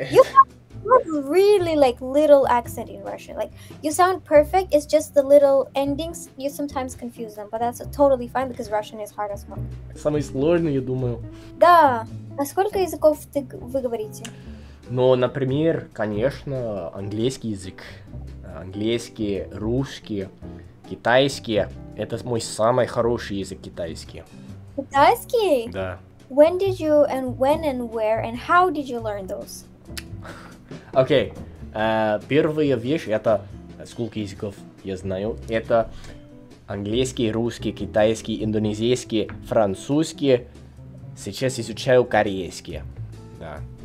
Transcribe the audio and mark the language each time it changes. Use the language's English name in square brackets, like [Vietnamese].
[English] You have really like little accent in Russian. Like you sound perfect. It's just the little endings. You sometimes confuse them, but that's totally fine because Russian is hard as fuck. [Russian] Самый сложный, я думаю. Да. А сколько языков вы говорите? Ну, например, конечно, английский язык, английский, русский, китайский. Это мой самый хороший язык китайский. Китайский? Да. [English] When did you and when and where and how did you learn those? [Russian] Окей, первая вещь, это сколько языков я знаю, это английский, русский, китайский, индонезийский, французский, сейчас изучаю корейский, да.